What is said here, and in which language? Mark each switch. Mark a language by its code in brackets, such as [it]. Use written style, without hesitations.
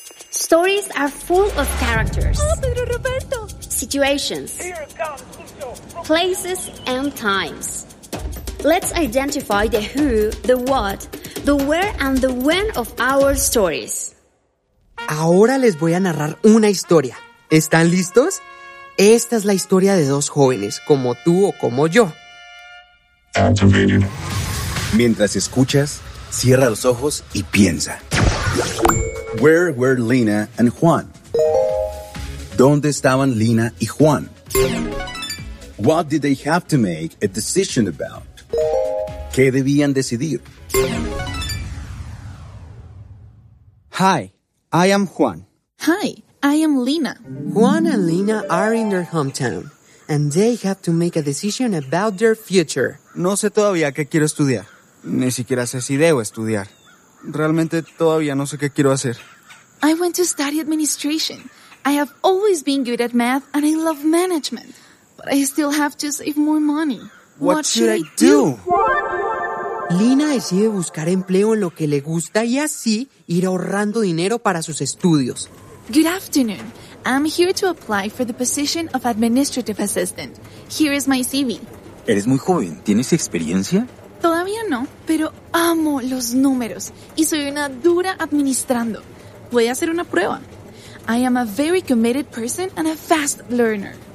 [en] Stories are full of characters. [es] ¡Oh, Pedro Roberto! [en] Situations. Places and times. Let's identify the who, the what, the where and the when of our stories. [es] Ahora les voy a narrar una historia. ¿Están listos? Esta es la historia de dos jóvenes, como tú o como yo. Activated. Mientras escuchas, cierra los ojos y piensa. [en] Where were Lina and Juan? [es] ¿Dónde estaban Lina y Juan? [en] What did they have to make a decision about? [es] ¿Qué debían decidir? [en] Hi, I am Juan. Hi, I am Lina. Juan and Lina are in their hometown, and they have to make a decision about their future. [es] No sé todavía qué quiero estudiar. Ni siquiera sé si debo estudiar. Realmente todavía no sé qué quiero hacer. [en] I went to study administration. I have always been good at math, and I love management. But I still have to save more money. What should I do? [es] Lina decide buscar empleo en lo que le gusta y así ir ahorrando dinero para sus estudios. [en] Good afternoon. I'm here to apply for the position of administrative assistant. Here is my CV. [es] Eres muy joven. ¿Tienes experiencia? Todavía no, pero amo los números y soy una dura administrando. Voy a hacer una prueba. [en] I am a very committed person and a fast learner.